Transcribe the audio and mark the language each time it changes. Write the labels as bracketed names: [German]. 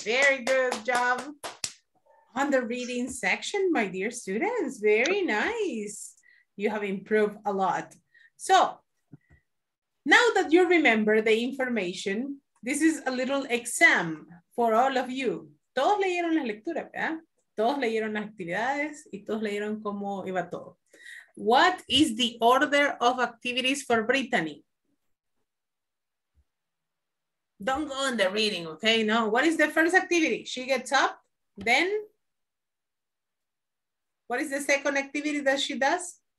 [English] Very good job on the reading section, my dear students. Very nice. You have improved a lot. So now that you remember the information, this is a little exam for all of you. [Spanish] Todos leyeron las lecturas, ¿verdad? Todos leyeron las actividades y todos leyeron cómo iba todo. [English] What is the order of activities for Brittany? Don't go in the reading, okay? No, what is the first activity? She gets up, then? What is the second activity that she does?